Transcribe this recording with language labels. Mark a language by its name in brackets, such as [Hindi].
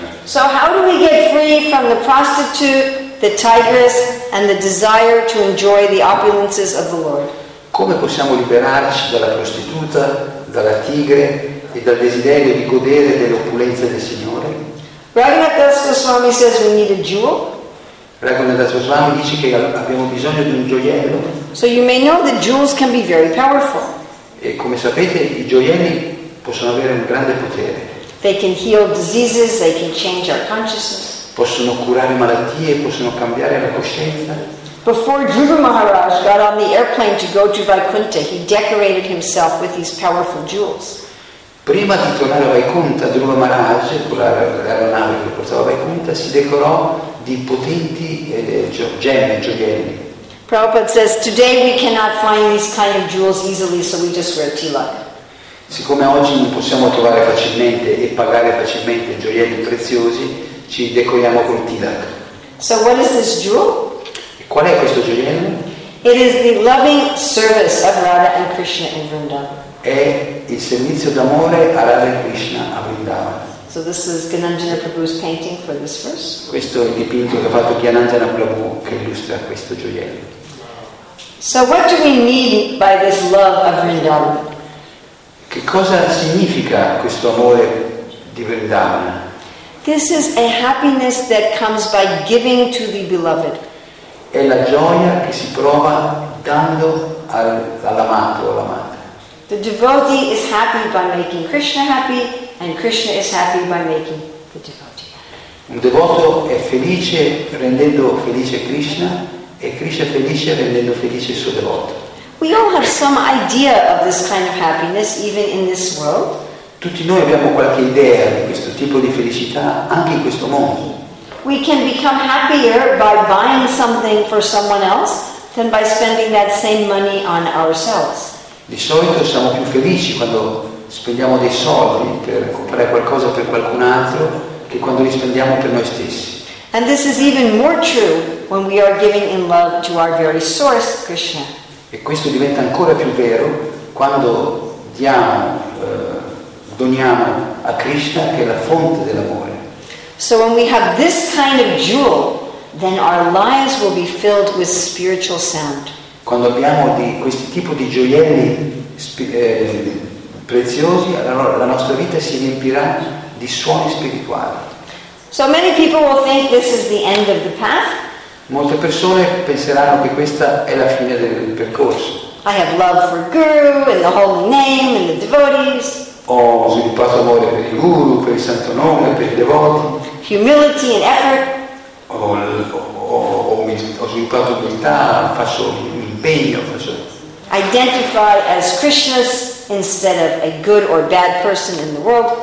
[English] So how do we get free from the prostitute, the tigress, and the desire to enjoy the opulences of the Lord? [Italian] Come possiamo liberarci dalla prostituta, dalla tigre e dal desiderio di godere delle opulenze del Signore? [English] Raghunathas Goswami says we need a jewel. [Italian] Raghunathas Goswami dice che abbiamo bisogno di un gioiello. [English] So you may know that jewels can be very powerful. [Italian] E come sapete i gioielli possono avere un grande potere. [English] They can heal diseases, they can change our consciousness. [Italian] Possono curare malattie, possono cambiare la coscienza. [English] Before Dhruva Maharaj got on the airplane to go to Vaikuntha, he decorated himself with these powerful jewels. [Italian] Prima di tornare a Vaikuntha, Dhruva Maharaj, con l'aeronave che portava a Vaikuntha, si decorò di potenti gemme, gioielli. [English] Prabhupada says, today we cannot find these kind of jewels easily, so we just wear tilak. [Italian] Siccome oggi non possiamo trovare facilmente e pagare facilmente gioielli preziosi, ci decoriamo col tilak. [English] So what is this jewel? [Italian] Qual è questo gioiello? [English] It is the loving service of Radha and Krishna in Vrindavan. [Italian] È il servizio d'amore a Radha e Krishna a Vrindavan. [English] So this is Gnananjana Prabhu's painting for this verse. [Italian] Questo è il dipinto che ha fatto Gnananjana Prabhu che illustra questo gioiello. [English] So what do we mean by this love of Vrindavan? [Italian] Che cosa significa questo amore di Vrindavan? [English] This is a happiness that comes by giving to the beloved. [Italian] È la gioia che si prova dando all'amato o all'amata. [English] The devotee is happy by making Krishna happy. and Krishna is happy by making the devotee. [Italian] Un devoto è felice rendendo felice Krishna e Krishna è felice rendendo felice il suo devoto. [English] We all have some idea of this kind of happiness even in this world. [Italian] Tutti noi abbiamo qualche idea di questo tipo di felicità anche in questo mondo. [English] We can become happier by buying something for someone else than by spending that same money on ourselves. [Italian] Di solito siamo più felici quando spendiamo dei soldi per comprare qualcosa per qualcun altro che quando li spendiamo per noi stessi. [English] And this is even more true when we are giving in love to our very source, Krishna. [Italian] E questo diventa ancora più vero quando diamo, doniamo a Krishna che è la fonte dell'amore. [English] So when we have this kind of jewel, then our lives will be filled with spiritual sound. [Italian] Quando abbiamo questi tipi di gioielli preziosi, allora la nostra vita si riempirà di suoni spirituali. [English] So many people will think this is the end of the path. [Italian] Molte persone penseranno che questa è la fine del percorso. [English] I have love for Guru and the holy name and the devotees. [Italian] Ho sviluppato amore per il Guru, per il Santo Nome, per i devoti. [English] Humility and effort. [Italian] Ho sviluppato umiltà, faccio un impegno, faccio. [English] Identify as Krishna's instead of a good or bad person in the world.